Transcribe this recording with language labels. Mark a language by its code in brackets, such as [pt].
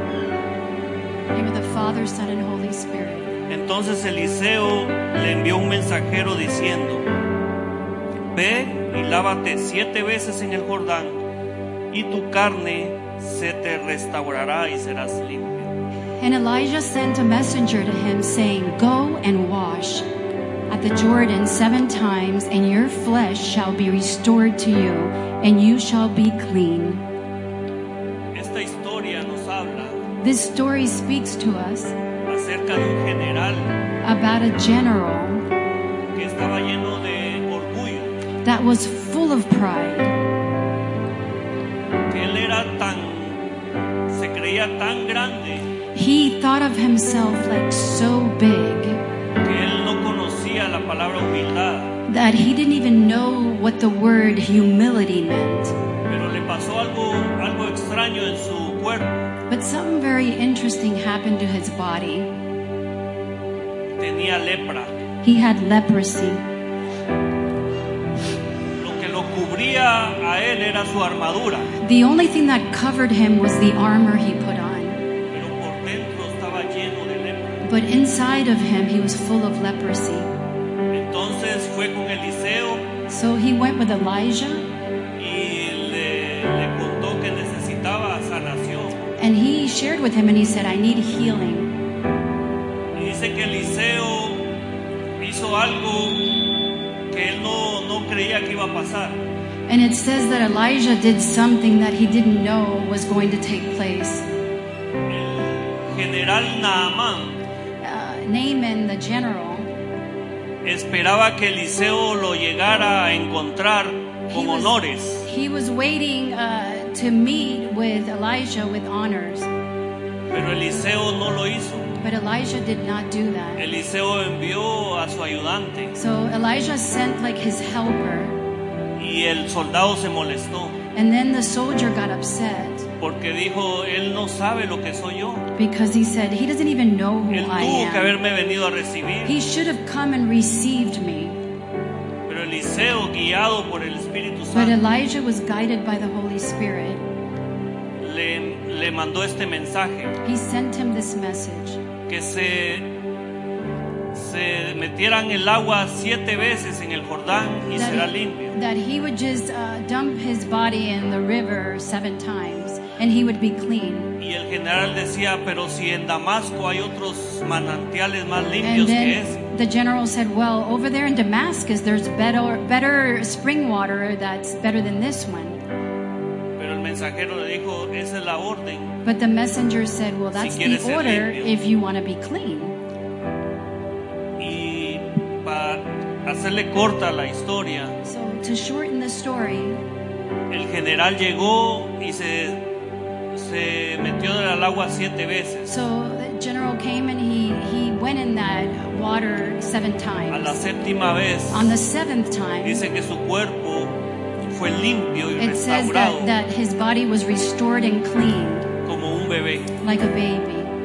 [en] In the name of the Father, Son and Holy Spirit. [es] Entonces Eliseo le envió un mensajero diciendo: Ve y lávate 7 veces en el Jordán y tu carne se te restaurará y serás limpio. [en] And Elijah sent a messenger to him, saying, Go and wash at the Jordan 7 times, and your flesh shall be restored to you, and you shall be clean. [es] Esta historia nos habla. [en] This story speaks to us [es] acerca de un general. [en] About a general [es] que estaba lleno de orgullo. [en] That was full of pride. [es] Que él era tan, se creía tan grande. [en] He thought of himself like so big [es] que él no conocía la palabra humildad, [en] that he didn't even know what the word humility meant. [es] Pero le pasó algo extraño en su cuerpo. [en] But something very interesting happened to his body. [es] Tenía lepra. [en] He had leprosy. [es] Lo que lo cubría a él era su armadura. [en] The only thing that covered him was the armor he put on. [es] Pero por dentro estaba lleno de lepra. [en] But inside of him, he was full of leprosy. [es] Entonces fue con Eliseo. [en] So he went with Elijah. [es] Y le contó que necesitaba sanación. [en] And he shared with him and he said, I need healing. [es] Dice que Eliseo hizo algo que él no creía que iba a pasar. [en] And it says that Elijah did something that he didn't know was going to take place. [es] El general Naaman, [en] Naaman the general, [es] esperaba que Eliseo lo llegara a encontrar con honores. [en] He was waiting to meet with Elijah with honors. [es] Pero Eliseo no lo hizo. [en] But Elijah did not do that. [es] Eliseo envió a su ayudante. [en] So Elijah sent like his helper. [es] Y el soldado se molestó. [en] And then the soldier got upset. [es] Porque dijo, él no sabe lo que soy yo. [en] Because he said, he doesn't even know who [es] él [en] I am. [es] Tuvo que haberme venido a recibir. [en] He should have come and received me. [es] Pero Eliseo, guiado por el Espíritu Santo, [en] but Elijah was guided by the Holy Spirit. [es] Le mandó este mensaje. [en] He sent him this message. [es] Que se metieran el agua siete veces en el Jordán y será limpio. [en] That he would just dump his body in the river seven times and he would be clean. [es] Y el general decía, pero si en Damasco hay otros manantiales más limpios que ese. [en] And then the general said, well, over there in Damascus there's better spring water that's better than this one. [es] Mensajero le dijo, esa es la orden. [en] But the messenger said, well, that's [es] si [en] the order if you want to be clean. [es] Y para hacerle corta la historia, [en] so to shorten the story, [es] el general llegó y se metió en el agua siete veces. [en] So the general came and he went in that water seven times. [es] A la séptima vez, [en] on the seventh time, [es] dice que su cuerpo fue limpio y [en] it [es] restaurado, [en] says that his body was restored and cleaned [es] como un bebé, [en] like a baby.